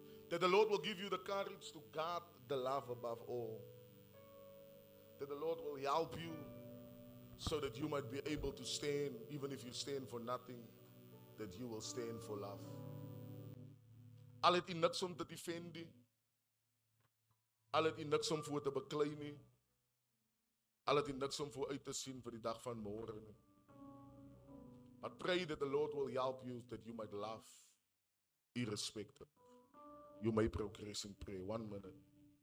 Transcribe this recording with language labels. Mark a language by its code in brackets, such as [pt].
[en] That the Lord will give you the courage to guard the love above all. That the Lord will help you so that you might be able to stand, even if you stand for nothing, that you will stand for love. [af] Al het u niks om te defend nie. Al het u niks om voor te beklei nie. Al het u niks om voor uit te sien vir die dag van môre nie. [en] But pray that the Lord will help you that you might love irrespective. You may progress in prayer. 1 minute.